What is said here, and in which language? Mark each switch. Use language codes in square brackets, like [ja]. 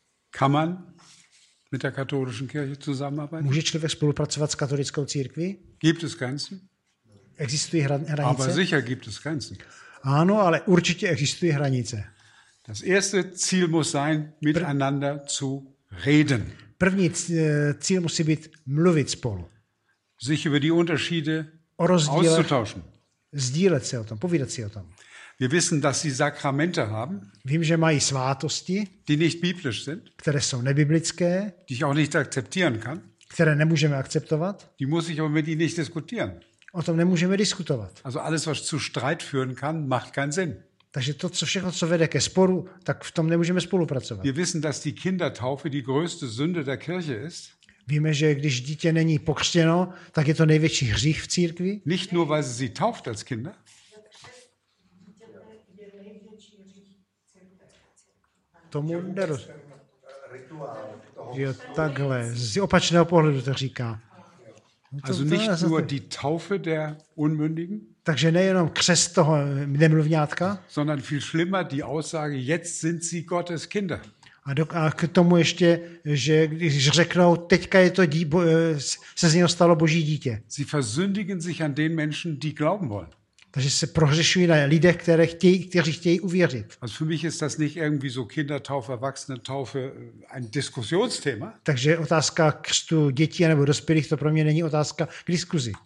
[de] Kann man mit der katholischen Kirche zusammenarbeiten? [cs] Může člověk spolupracovat s katolickou církví? [de] Gibt es Grenzen? [cs] Existují hranice? [de] Aber sicher gibt es Grenzen. [cs] Ano, ale určitě existují hranice. [de] Das erste Ziel muss sein, miteinander zu reden. [cs] První cíl musí být mluvit spolu. [de] Sich über die Unterschiede auszutauschen. [cs] Sdílet se o tom, povídat si o tom. [de] Wir wissen, dass sie Sakramente haben. [cs] Vím, že mají svátosti. [de] Die nicht biblisch sind. [cs] Které jsou nebiblické. [de] Die ich auch nicht akzeptieren kann. [cs] Které nemůžeme akceptovat. [de] Die muss ich aber mit ihnen nicht diskutieren. [cs] O tom nemůžeme diskutovat. [de] Also alles, was zu Streit führen kann, macht keinen Sinn. [cs] Takže to, co všechno, co vede ke sporu, tak v tom nemůžeme spolupracovat. [de] Wir wissen, dass die Kindertaufe die größte Sünde der Kirche ist. [cs] Víme, že když dítě není pokřtěno, tak je to největší hřích v církvi. [de] Nicht nur, weil sie tauft als Kinder. [cs] Tomu nero... Jo, takhle, z opačného pohledu to říká. [de] Also nicht nur die Taufe der Unmündigen, [cs] takže nejenom křest toho nemluvňátka, [de] sondern viel schlimmer die Aussage, jetzt sind sie Gottes Kinder. [cs] A k tomu ještě, že když řeknou, teďka je to se z něho stalo Boží dítě. [de] Sie versündigen sich an den Menschen, die glauben wollen. [cs] Takže se prohřešují na lidech, kteří chtějí uvěřit. [de] Also für mich ist das nicht irgendwie so Kindertaufe, Erwachsenentaufe ein Diskussionsthema. [cs] Takže otázka křtu dětí nebo dospělých, to pro mě není otázka k diskuzi.